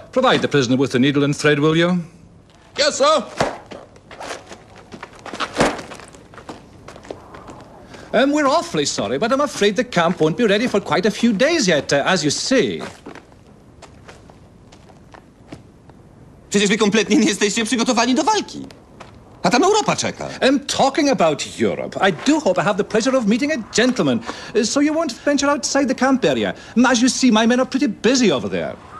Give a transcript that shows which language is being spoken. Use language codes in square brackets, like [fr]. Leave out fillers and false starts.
[en] Provide the prisoner with the needle and thread, will you? Yes, sir. We're awfully sorry, but I'm afraid the camp won't be ready for quite a few days yet, as you see. [pl] Przecież wy kompletnie nie jesteście przygotowani do walki. A tam Europa czeka. [en] Talking about Europe, I do hope I have the pleasure of meeting a gentleman, so you won't venture outside the camp area. As you see, my men are pretty busy over there.